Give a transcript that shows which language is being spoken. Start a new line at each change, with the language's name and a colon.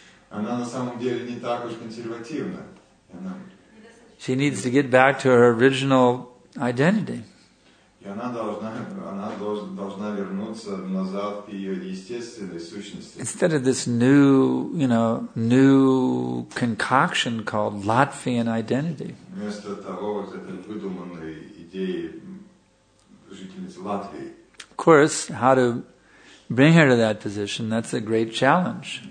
Russian: Она на самом деле не так уж консервативна.
English: She needs to get back to her original identity.
Russian: И она должна вернуться назад к ее естественной сущности.
English: Instead of this new, you know, new concoction called Latvian identity.
Russian: Вместо того, вот этой выдуманной идеи жительницы Латвии.
English: Of course, how to bring her to that position, that's a great challenge.